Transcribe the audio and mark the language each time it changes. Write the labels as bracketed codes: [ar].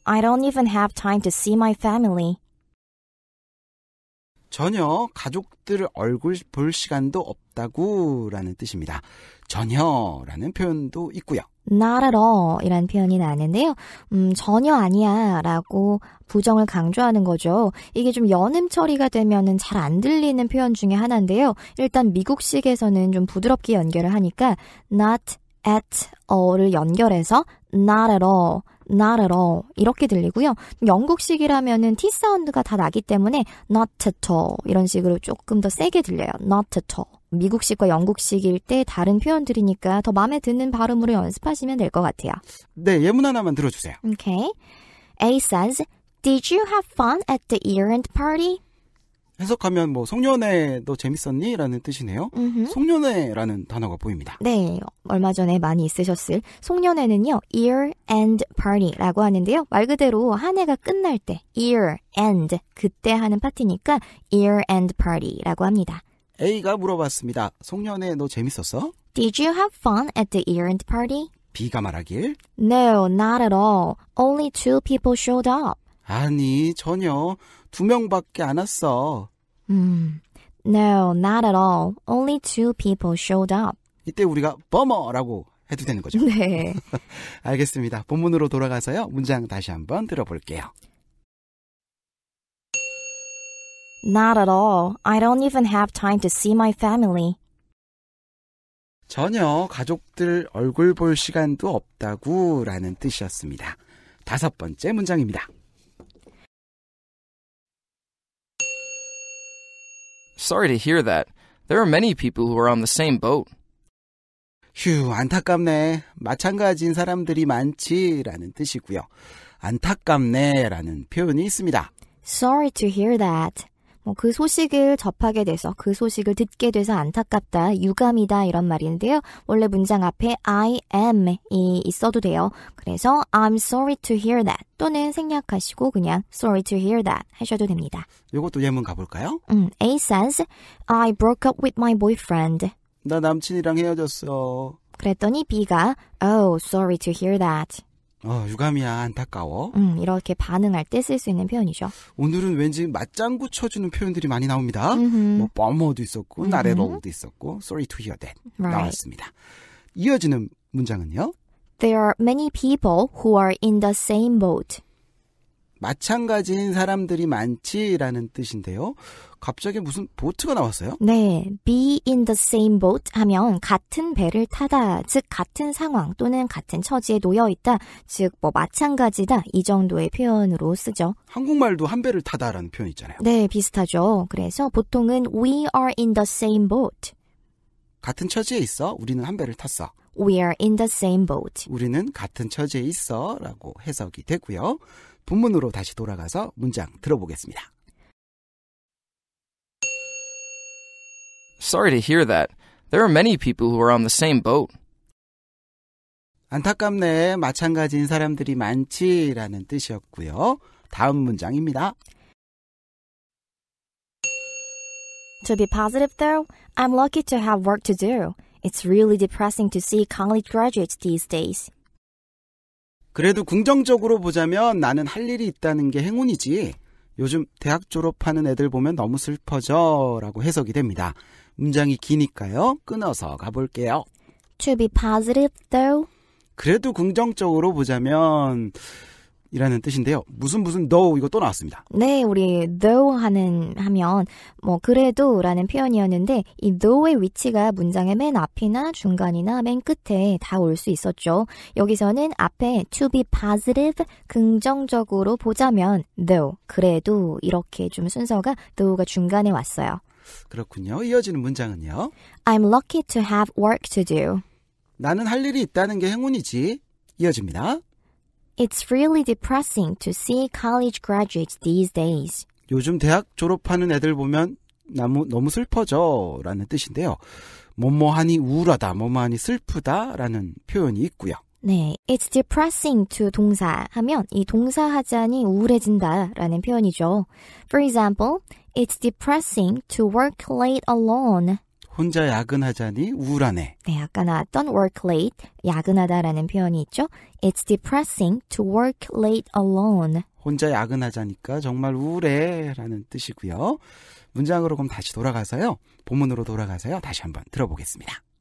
[en] I don't even have time to see my family. [ko] 전혀 가족들 얼굴 볼 시간도 없다고 라는 뜻입니다. 전혀 라는 표현도 있고요. [en] Not at all [ko] 이란 표현이 나왔는데요. 전혀 아니야 라고 부정을 강조하는 거죠. 이게 좀 연음 처리가 되면은 잘 안 들리는 표현 중에 하나인데요. 일단 미국식에서는 좀 부드럽게 연결을 하니까 not at all을 연결해서 [en] not at all, not at all [ko] 이렇게 들리고요. 영국식이라면은 T 사운드가 다 나기 때문에 [en] not at all [ko] 이런 식으로 조금 더 세게 들려요. not at all. 미국식과 영국식일 때 다른 표현들이니까 더 마음에 드는 발음으로 연습하시면 될 것 같아요. 네, 예문 하나만 들어주세요. [en] Okay. A says, Did you have fun at the year-end party? [ko] 해석하면 뭐 송년회 너 재밌었니? 라는 뜻이네요. 음흠. 송년회라는 단어가 보입니다. 네. 얼마 전에 많이 있으셨을 송년회는요. [en] year end party [ko] 라고 하는데요. 말 그대로 한 해가 끝날 때 year end 그때 하는 파티니까 year end party라고 합니다. A가 물어봤습니다. 송년회 너 재밌었어? [en] Did you have fun at the year end party? [ko] B가 말하길 [en] No, not at all. Only two people showed up. [ko] 아니, 전혀. 두 명밖에 안 왔어. [en] No, not at all. Only two people showed up. [ko] 이때 우리가 bummer라고 해도 되는 거죠? 네. 알겠습니다. 본문으로 돌아가서요. 문장 다시 한번 들어볼게요. [en] Not at all. I don't even have time to see my family. [ko] 전혀 가족들 얼굴 볼 시간도 없다고 라는 뜻이었습니다. 다섯 번째 문장입니다. [en] Sorry to hear that. There are many people who are on the same boat. [ko] 휴, 안타깝네. 마찬가지인 사람들이 많지 라는 뜻이고요. 안타깝네 라는 표현이 있습니다. [en] Sorry to hear that. [ko] 그 소식을 접하게 돼서, 그 소식을 듣게 돼서 안타깝다, 유감이다 이런 말인데요. 원래 문장 앞에 I am이 있어도 돼요. 그래서 [en] I'm sorry to hear that [ko] 또는 생략하시고 그냥 sorry to hear that 하셔도 됩니다. 이것도 예문 가볼까요? [en] A says I broke up with my boyfriend. [ko] 나 남친이랑 헤어졌어. 그랬더니 B가 [en] Oh, sorry to hear that. [ko] 유감이야, 안타까워. 이렇게 반응할 때 쓸 수 있는 표현이죠. 오늘은 왠지 맞장구 쳐주는 표현들이 많이 나옵니다. 음흠. 뭐 bummer도 있었고, not at all도 있었고, [en] sorry to hear that right. [ko] 나왔습니다. 이어지는 문장은요. [en] There are many people who are in the same boat. [ko] 마찬가지인 사람들이 많지라는 뜻인데요. 갑자기 무슨 보트가 나왔어요? 네. [en] Be in the same boat [ko] 하면 같은 배를 타다. 즉, 같은 상황 또는 같은 처지에 놓여 있다. 즉, 뭐 마찬가지다. 이 정도의 표현으로 쓰죠. 한국말도 한 배를 타다라는 표현 있잖아요. 네, 비슷하죠. 그래서 보통은 [en] We are in the same boat. [ko] 같은 처지에 있어. 우리는 한 배를 탔어. [en] We are in the same boat. [ko] 우리는 같은 처지에 있어 라고 해석이 되고요. 본문으로 다시 돌아가서 문장 들어보겠습니다. [en] Sorry to hear that. There are many people who are on the same boat. [ko] 안타깝네. 마찬가지인 사람들이 많지 라는 뜻이었고요. 다음 문장입니다. [en] To be positive though, I'm lucky to have work to do. It's really depressing to see college graduates these days. [ko] 그래도 긍정적으로 보자면 나는 할 일이 있다는 게 행운이지. 요즘 대학 졸업하는 애들 보면 너무 슬퍼져 라고 해석이 됩니다. 문장이 기니까요. 끊어서 가볼게요. [en] To be positive though. [ko] 그래도 긍정적으로 보자면 이라는 뜻인데요. 무슨 무슨 though 이거 또 나왔습니다. 네, 우리 though 하면 뭐 그래도 라는 표현이었는데 이 though의 위치가 문장의 맨 앞이나 중간이나 맨 끝에 다 올 수 있었죠. 여기서는 앞에 [en] to be positive, [ko] 긍정적으로 보자면 though, 그래도 이렇게 좀 순서가 though가 중간에 왔어요. 그렇군요. 이어지는 문장은요. [en] I'm lucky to have work to do. [ko] 나는 할 일이 있다는 게 행운이지. 이어집니다. [en] It's really depressing to see college graduates these days. [ko] 요즘 대학 졸업하는 애들 보면 너무 슬퍼져 라는 뜻인데요. 뭐뭐하니 우울하다, 뭐뭐하니 슬프다 라는 표현이 있고요. 네, [en] it's depressing to [ko] 동사 하면 이 동사 하자니 우울해진다 라는 표현이죠. [en] For example, it's depressing to work late alone. [ko] 혼자 야근하자니 우울하네. 네, 아까 나왔던 work late, 야근하다라는 표현이 있죠. [en] It's depressing to work late alone. [ko] 혼자 야근하자니까 정말 우울해라는 뜻이고요. 문장으로 그럼 다시 돌아가서요. 본문으로 돌아가서요. 다시 한번 들어보겠습니다.